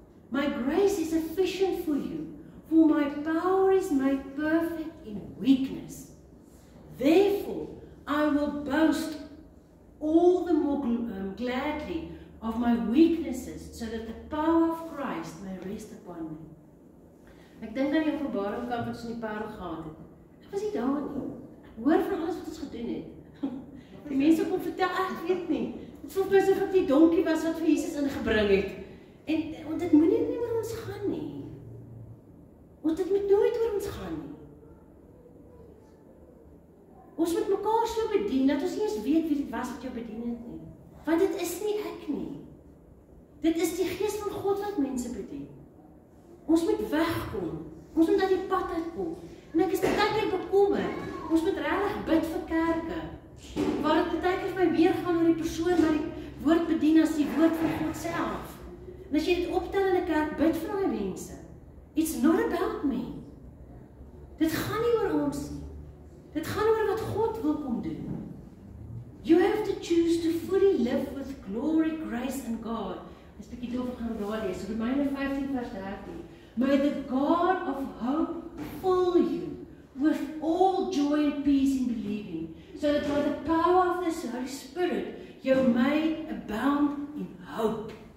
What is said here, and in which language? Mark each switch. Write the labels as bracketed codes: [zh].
[en] My grace is sufficient for you, for my power is made perfect in weakness. Therefore, I will boast all the more gladly of my weaknesses, so that the power of Christ may rest upon me. [af] Ek dink aan die openbaring kamp wat ons in die parel gehad het. Ek was nie daar nie. Hoor van alles wat ons gedoen het. Die mense kon vertel, ek weet nie. Het voel toos of die donkie was wat vir Jesus ingebring het. En, want dit moet nie oor ons gaan nie. Want dit moet nooit oor ons gaan nie. Ons moet mekaar so bedien, dat ons nie eens weet wie dit was wat jou bedien het nie. Want dit is nie ek nie. Dit is die Gees van God wat mense bedien. Ons moet wegkom. Ons moet uit die pad uitkom. En ek is partykeer bekommerd. Ons moet regtig bid vir kerke. Waar dit partykeer my meer gaan oor die persoon wat die woord bedien as die woord van God self. En as jy dit optel in 'n kerk, bid vir my mense. [en] It's not about me. [af] Dit gaan nie oor ons nie. Dit gaan oor wat God wil kom doen. [en] You have to choose to fully live with glory, grace and God. [af] Dis bietjie dof van daardie. So Romeine 15 vers 13. [en] May the God of hope fill you with all joy and peace in believing, so that by the power of the Holy Spirit you may abound in hope.